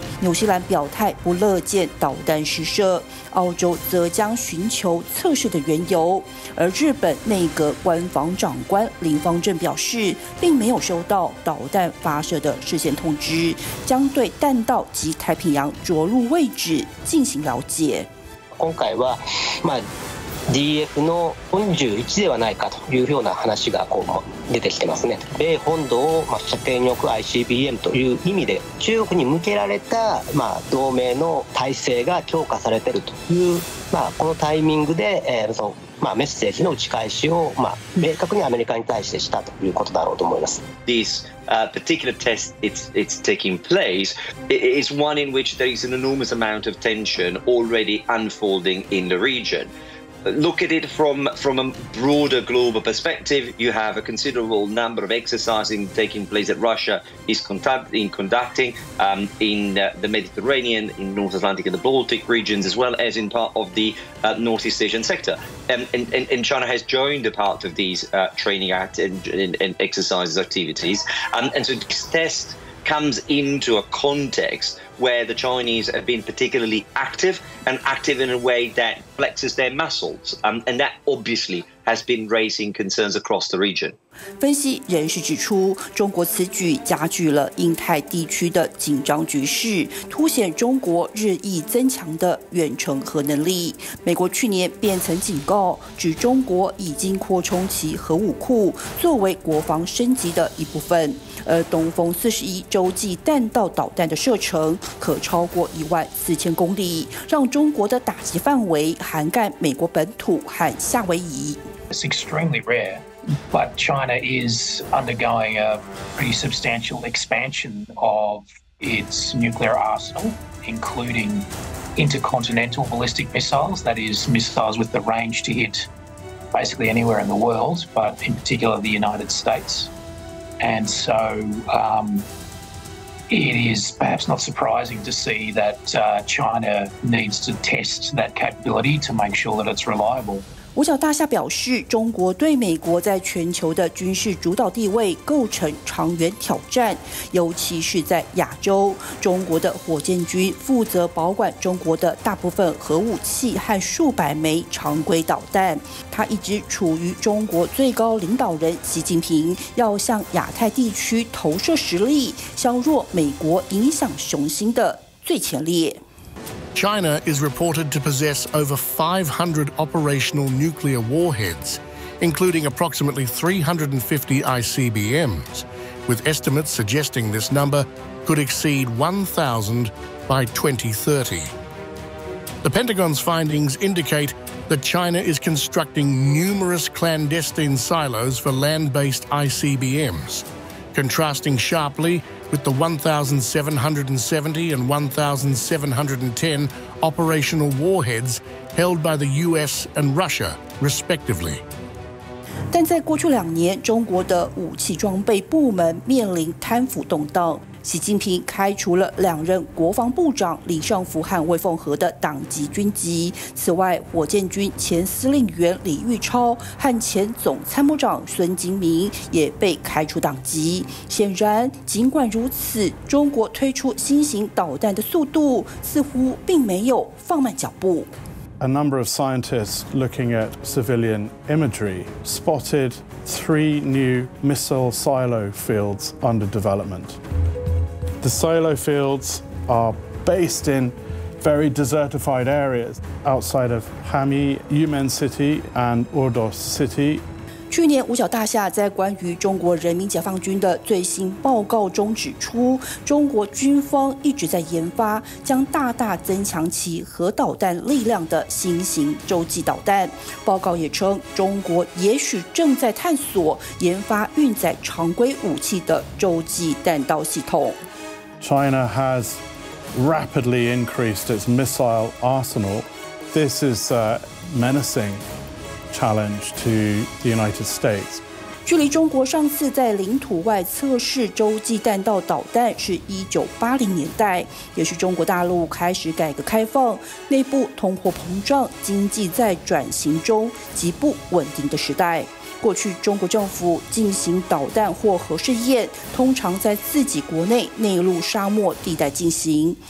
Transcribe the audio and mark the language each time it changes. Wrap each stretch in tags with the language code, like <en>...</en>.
<zh>纽西兰表态不乐见导弹试射，澳洲则将寻求测试的缘由，而日本内阁官房长官林方正表示，并没有收到导弹发射的事先通知，将对弹道及太平洋着陆位置进行了解。</zh> <ja>今回は、まあ、DF の41ではないかというような話がこう出てきてますね。米本土を、まあ、射程に置く ICBM という意味で、中国に向けられた、まあ、同盟の体制が強化されているという、まあ、このタイミングで、まあ、メッセージの打ち返しを、まあ、明確にアメリカに対してしたということだろうと思います。</ja> <en>This particular test it's taking place is one in which there is an enormous amount of tension already unfolding in the region. Look at it from a broader global perspective. You have a considerable number of exercises taking place that Russia is conducting in the Mediterranean, in North Atlantic and the Baltic regions, as well as in part of the Northeast Asian sector. And China has joined a part of these training activities and exercises activities. And so this test comes into a context where the Chinese have been particularly active and active in a way that flexes their muscles. And that obviously has been raising concerns across the region.</en> <zh>分析人士指出，中国此举加剧了印太地区的紧张局势，凸显中国日益增强的远程核能力。美国去年便曾警告，指中国已经扩充其核武库，作为国防升级的一部分。而东风四十一洲际弹道导弹的射程可超过14000公里，让中国的打击范围涵盖美国本土和夏威夷。</zh> <en>It's extremely rare, but China is undergoing a pretty substantial expansion of its nuclear arsenal, including intercontinental ballistic missiles, that is, missiles with the range to hit basically anywhere in the world, but in particular the United States. And so, it is perhaps not surprising to see that China needs to test that capability to make sure that it's reliable.</en> <zh>五角大厦表示，中国对美国在全球的军事主导地位构成长远挑战，尤其是在亚洲。中国的火箭军负责保管中国的大部分核武器和数百枚常规导弹。它一直处于中国最高领导人习近平要向亚太地区投射实力、削弱美国影响雄心的最前列。</zh> <en>China is reported to possess over 500 operational nuclear warheads, including approximately 350 ICBMs, with estimates suggesting this number could exceed 1,000 by 2030. The Pentagon's findings indicate that China is constructing numerous clandestine silos for land-based ICBMs, contrasting sharply. With the 1,770 and 1,710 operational warheads held by the US and Russia, respectively.</en> <zh>但在过去两年，中国的武器装备部门面临贪腐动荡。习近平开除了两任国防部长李尚福和魏凤和的党籍军籍。此外，火箭军前司令员李玉超和前总参谋长孙金明也被开除党籍。显然，尽管如此，中国推出新型导弹的速度似乎并没有放慢脚步。</zh> <en>A number of scientists looking at civilian imagery spotted three new missile silo fields under development. The silo fields are based in very desertified areas outside of Hami, Yumen City, and Ordos City.</en> <zh>去年五角大厦在关于中国人民解放军的最新报告中指出，中国军方一直在研发将大大增强其核导弹力量的新型洲际导弹。报告也称，中国也许正在探索研发运载常规武器的洲际弹道系统。</zh> <en>China has rapidly increased its missile arsenal. This is a menacing challenge to the United States.</en> <zh>距离中国上次在领土外测试洲际弹道导弹是1980年代，也是中国大陆开始改革开放、内部通货膨胀、经济在转型中极不稳定的时代。过去中国政府进行导弹或核试验，通常在自己国内内陆沙漠地带进行。</zh>